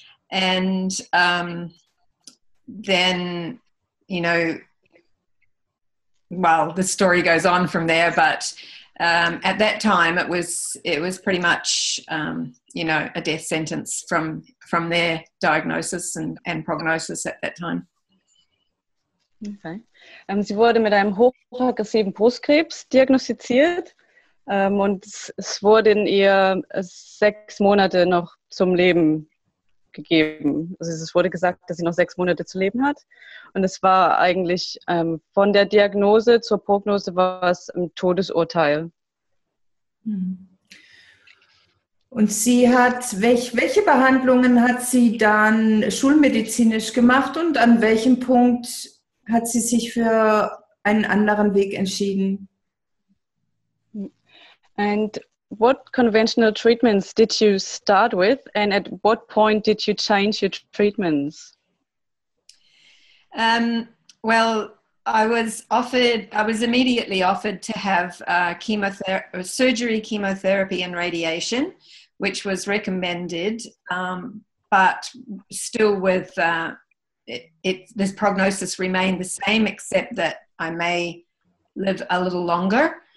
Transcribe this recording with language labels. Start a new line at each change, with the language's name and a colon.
English: And then, you know, well, the story goes on from there, but at that time, it was pretty much, you know, a death sentence from their diagnosis and prognosis at that time.
German: Okay. Sie wurde mit einem hochaggressiven Brustkrebs diagnostiziert, Und es wurden ihr 6 Monate noch zum Leben gegeben. Also es wurde gesagt, dass sie noch 6 Monate zu leben hat. Und es war eigentlich von der Diagnose zur Prognose war es ein Todesurteil. Und sie hat, welche Behandlungen hat sie dann schulmedizinisch gemacht und an welchem Punkt hat sie sich für einen anderen Weg entschieden?
English: And what conventional treatments did you start with and at what point did you change your treatments? Well, I was immediately offered to have surgery, chemotherapy and radiation, which was recommended, but still with this prognosis remained the same, except that I may live a little longer.